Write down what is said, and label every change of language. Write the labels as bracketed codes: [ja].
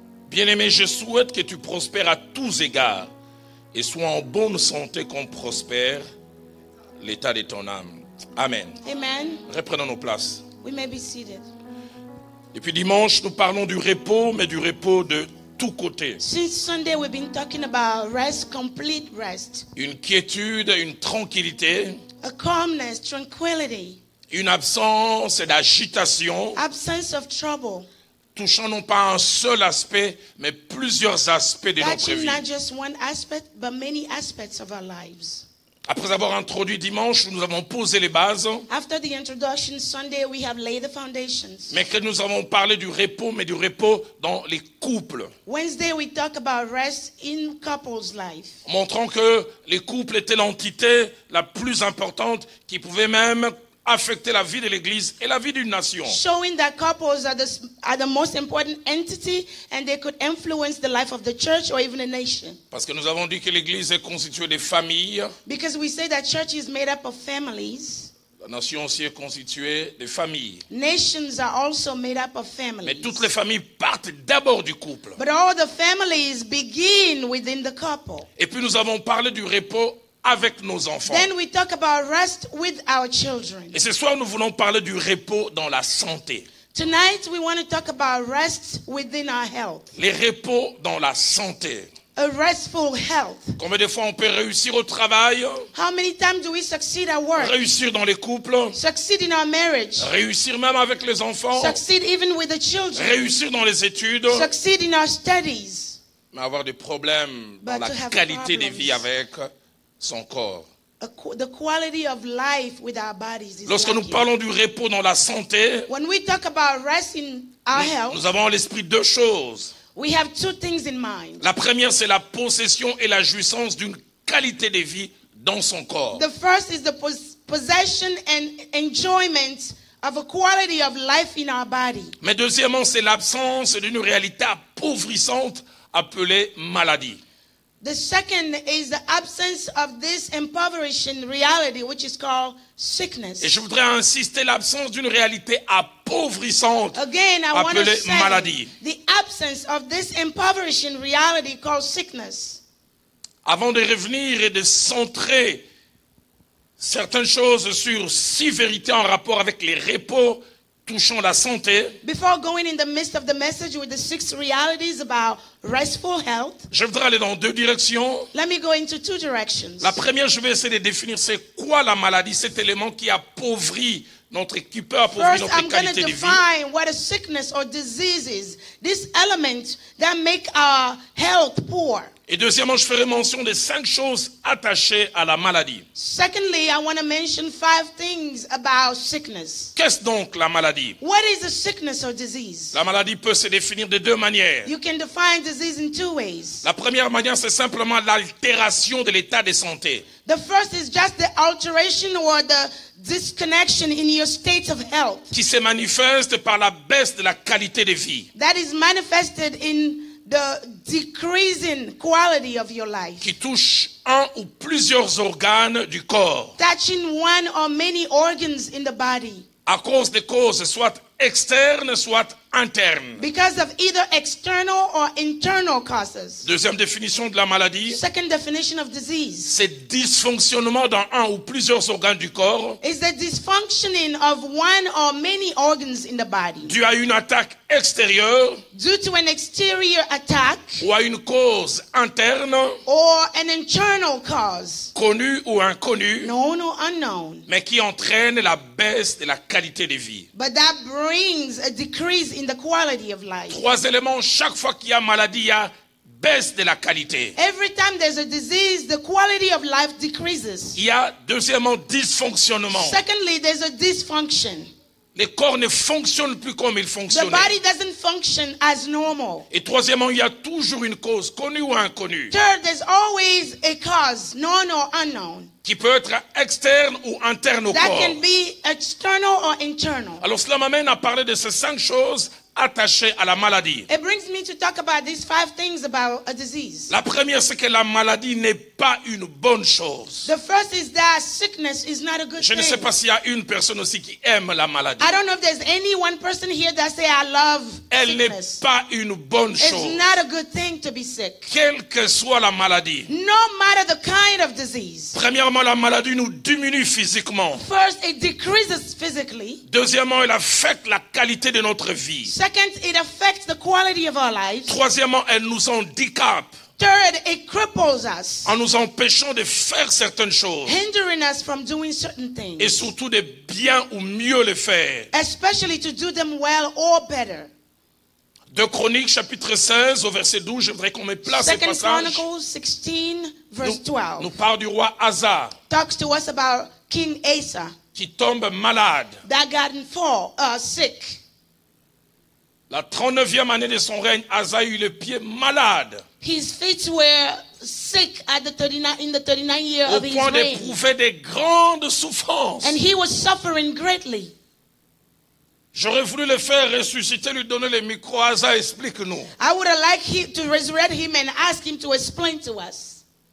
[fr] Bien-aimé, je souhaite que tu prospères à tous égards et sois en bonne santé comme prospère l'état de ton âme. Amen. Amen. Reprenons nos places. [en] We may be seated. [fr] Et puis dimanche, nous parlons du repos, mais du repos de tous côtés. [en] Since Sunday, we've been talking about rest, complete rest. [fr] Une quiétude, une tranquillité. [en] A calmness, tranquility. [fr] Une absence d'agitation. [en] Absence of trouble. [fr] Touchant non pas un seul aspect, mais plusieurs aspects de [en] touching [fr] notre vie. [en] Not just one aspect, but many aspects of our lives. [fr] Après avoir introduit dimanche, nous avons posé les bases. [en] After the introduction Sunday, we have laid the foundations. [fr] Mais que nous avons parlé du repos, mais du repos dans les couples. [en] Wednesday, we talk about rest in couples' life. [fr] Montrant que les couples étaient l'entité la plus importante qui pouvait même affecter la vie de l'Église et la vie d'une nation. [en] Showing that couples are the most important entity and they could influence the life of the church or even a nation. [fr] Parce que nous avons dit que l'Église est constituée de familles. [en] Because we say that church is made up of families. [fr] La nation aussi est constituée de familles. [en] Nations are also made up of families. [fr] Mais toutes les familles partent d'abord du couple. [en] But all the families begin within the couple. [fr] Et puis nous avons parlé du repos avec nos enfants. [en] Then we talk about rest with our children. [fr] Et ce soir, nous voulons parler du repos dans la santé. [en] Tonight, we want to talk about rest within our health. [fr] Les repos dans la santé. [en] A restful health. [fr] Combien de fois on peut réussir au travail? [en] How many times do we succeed at work? [fr] Réussir dans les couples? [en] Succeed in our marriage. [fr] Réussir même avec les enfants? [en] Succeed even with the children. [fr] Réussir dans les études? [en] Succeed in our studies. [fr] Mais avoir des problèmes dans la qualité de vie avec son corps. [en] The quality of life with our bodies is [fr] lorsque nous parlons du repos dans la santé, [en] when we talk about rest in our health, [fr] nous avons à l'esprit deux choses. [en] We have two things in mind. [fr] La première, c'est la possession et la jouissance d'une qualité de vie dans son corps. [en] The first is the possession and enjoyment of a quality of life in our body. [fr] Mais deuxièmement, c'est l'absence d'une réalité appauvrissante appelée maladie. [en] The second is the absence of this impoverishing reality, which is called sickness. [fr] Et je voudrais insister l'absence d'une réalité appauvrissante [en] again, I [fr] appelée maladie. [en] The absence of this impoverishing reality called sickness. [fr] Avant de revenir et de centrer certaines choses sur 6 vérités en rapport avec les repos touchant la santé. [en] Before going in the midst of the message with the 6 realities about restful health. [fr] Je voudrais aller dans 2 directions. [en] Let me go into 2 directions. [fr] La première, je vais essayer de définir c'est quoi la maladie, cet élément qui appauvrit notre équipe, appauvrit [en] first, [fr] notre [en] I'm [fr] qualité de vie. [en] First, I'm going to define what a sickness or disease is. This element that make our health poor. [fr] Et deuxièmement, je ferai mention des 5 choses attachées à la maladie. [en] Secondly, I want to mention 5 things about sickness. [fr] Qu'est-ce donc la maladie? [en] What is a sickness or disease? [fr] La maladie peut se définir de 2 manières. [en] You can define disease in 2 ways. [fr] La première manière, c'est simplement l'altération de l'état de santé. [en] The first is just the alteration or the disconnection in your state of health. [fr] Qui se manifeste par la baisse de la qualité de vie. [en] That is manifested in the decreasing quality of your life. [fr] Qui touche un ou plusieurs organes du corps. [en] Touching one or many organs in the body. [fr] À cause des causes, soit externes, soit internes. [en] Because of either external or internal causes. [fr] Deuxième définition de la maladie. [en] Second definition of disease. [fr] C'est dysfonctionnement dans un ou plusieurs organes du corps. [en] Is the dysfunctioning of one or many organs in the body. [fr] Dû à une attaque extérieure. [en] Due to an exterior attack. [fr] Ou à une cause interne. [en] Or an internal cause. [fr] Connue ou inconnue. [en] Known or unknown. [fr] Mais qui entraîne la baisse de la qualité de vie. [en] But that brings a decrease in the quality of life. [fr] 3 éléments, chaque fois qu'il y a maladie, il y a baisse de la qualité. [en] Every time there's a disease, the quality of life decreases. [fr] Il y a deuxièmement dysfonctionnement. [en] Secondly, there's a dysfunction. [fr] Le corps ne fonctionne plus comme il fonctionnait. [en] The body doesn't function as normal. [fr] Et troisièmement, il y a toujours une cause, connue ou inconnue. [en] Third, there's always a cause, known or unknown. [fr] Qui peut être externe ou interne au [en] that [fr] corps. [en] Can be external or internal. [fr] Alors cela m'amène à parler de ces 5 choses attachées à la maladie. [en] It brings me to talk about these five things about a disease. [fr] La première, c'est que la maladie n'est pas une bonne chose. [en] The first is that sickness is not a good [fr] thing. Je ne sais pas s'il y a une personne aussi qui aime la maladie. [en] I don't know if there's any one person here that say I love sickness. [fr] Elle n'est pas une bonne chose. [en] It's not a good thing to be sick. [fr] Quelle que soit la maladie. [en] No matter the kind of disease. [fr] Premièrement, la maladie nous diminue physiquement. [en] First, it decreases physically. [fr] Deuxièmement, elle affecte la qualité de notre vie. [en] Second, it affects the quality of our lives. [fr] Troisièmement, elle nous handicape. [en] Third, it cripples us. [fr] En nous empêchant de faire certaines choses. [en] Hindering us from doing certain things. [fr] Et surtout de bien ou mieux les faire. [en] Especially to do them well or better. [fr] De Chroniques chapitre 16 au verset 12, je voudrais qu'on me place [en] Second [fr] ce passage. [en] Second Chronicles 16 verse 12. [fr] Nous parle du roi Asa. [en] Talks to us about King Asa. [fr] Qui tombe malade. [en] That got in fall, sick. [fr] La 39e année de son règne, Asa eut le pied malade. [en] His feet were sick at the 39 year of his reign. [fr] Au point d'éprouver des grandes souffrances. [en] And he was suffering greatly. [fr] J'aurais voulu le faire ressusciter, lui donner le micro. Asa, explique-nous. [en] I would have liked him to resurrect him and ask him to explain to us.